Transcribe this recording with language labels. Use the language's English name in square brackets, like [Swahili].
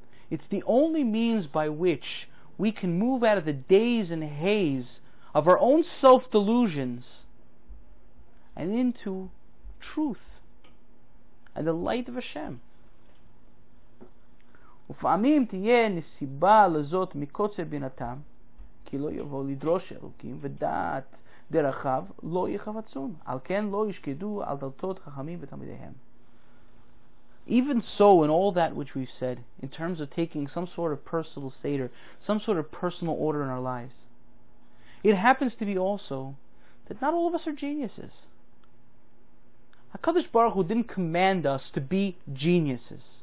[English] It's the only means by which we can move out of the daze and haze of our own self-delusions and into truth and the light of Hashem. [Hebrew] ופעמים תהיה נסיבה לזאת מקוצר בינתם, כי לא יבוא לדרוש אלוקים, ודעת דרכיו לא יחפצון, על כן לא ישקדו על דלתות חכמים ותמידיהם. [English] Even so, in all that which we've said, in terms of taking some sort of personal Seder, some sort of personal order in our lives, it happens to be also that not all of us are geniuses. HaKadosh Baruch Hu didn't command us to be geniuses.